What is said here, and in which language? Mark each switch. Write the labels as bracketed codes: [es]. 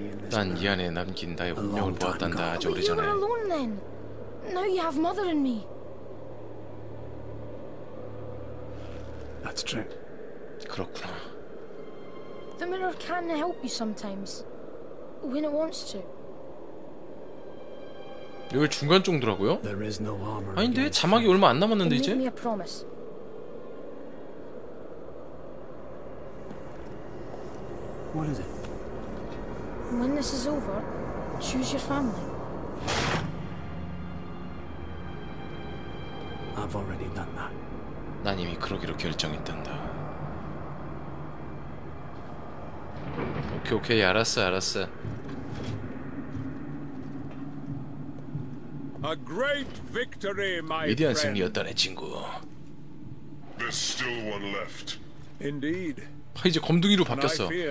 [ko] 난 이 안에 남긴 나의 운명을 보았단다. 아주 오래전에. [en] You're alone then. Now you have mother and me. That's true. [ko] 그렇구나. [en] The mirror can help you sometimes when it wants to. [ko] 왜 중간 정도라고요? 아닌데 자막이 얼마 안 남았는데 이제? [en] Make me a promise. What is it? When this is over, choose your family. I've already done that. [ko] 난 이미 그러기로 결정했단다. 오케이 오케이 알았어 알았어. [en] A great victory, my friend. [ko] 위대한 승리였다네 친구. [en] There's still one left. Indeed. [ko] 아, 이제 검둥이로 바뀌었어.